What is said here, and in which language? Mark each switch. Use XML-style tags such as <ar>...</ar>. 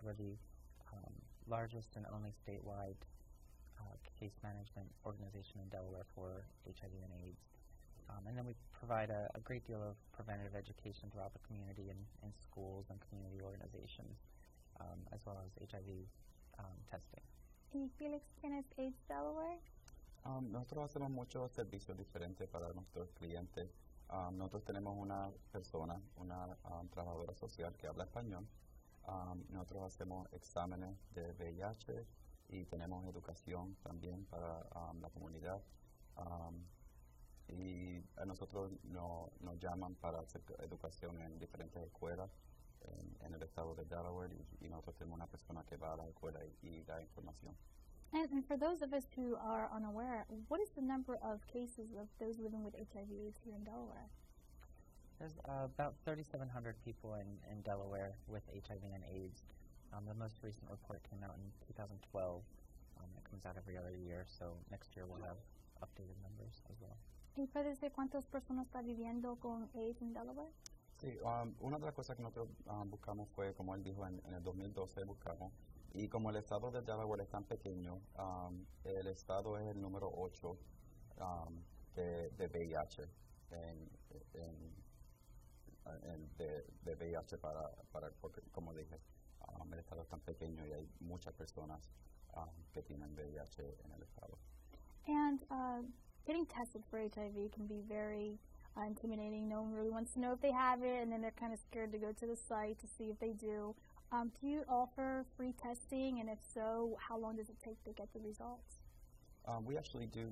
<en>We're the largest and only statewide case management organization in Delaware for HIV and AIDS. And then we provide a great deal of preventative education throughout the community and schools and community organizations, as well as HIV testing. Can you Felix can us AIDS Delaware?</en> <es>Nosotros hacemos muchos servicios diferentes para nuestros clientes. Nosotros tenemos una persona, una trabajadora social que habla español. Nosotros hacemos exámenes de VIH, y tenemos educación también para la comunidad. Y a nosotros nos llaman para hacer educación en diferentes escuelas en el estado de Delaware, y nosotros tenemos una persona que va a la escuela y da información.</es> <en>And for those of us who are unaware, what is the number of cases of those living with HIV AIDS here in Delaware? There's about 3,700 people in Delaware with HIV and AIDS. The most recent report came out in 2012. It comes out every other year, so next year we'll have updated numbers as well.</en> <es>¿Y puede decir cuántas personas están viviendo con AIDS en Delaware? Sí, una de las cosas que nosotros buscamos fue, como él dijo, en el 2012 buscamos. Y como el estado de Delaware es tan pequeño, el estado es el número 8 de VIH en de VIH para porque, como dije. El estado es tan pequeño y hay muchas personas que tienen VIH en el estado.</es> <en>And getting tested for HIV can be very intimidating. No one really wants to know if they have it, and then they're kind of scared to go to the site to see if they do. Do you offer free testing, and if so, how long does it take to get the results? We actually do.</en>